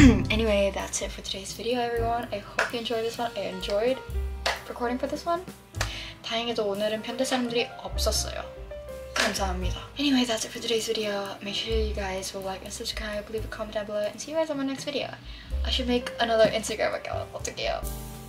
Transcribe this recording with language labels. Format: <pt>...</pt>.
<en>Anyway, that's it for today's video, everyone. I hope you enjoyed this one. I enjoyed recording for this one.</en> <ko>다행히도 오늘은 편대 사람들이 없었어요. 감사합니다.</ko> <en>Anyway, that's it for today's video. Make sure you guys will like and subscribe, leave a comment down below, and see you guys on my next video. I should make another Instagram account.</en> <ko>어떡해요.</ko>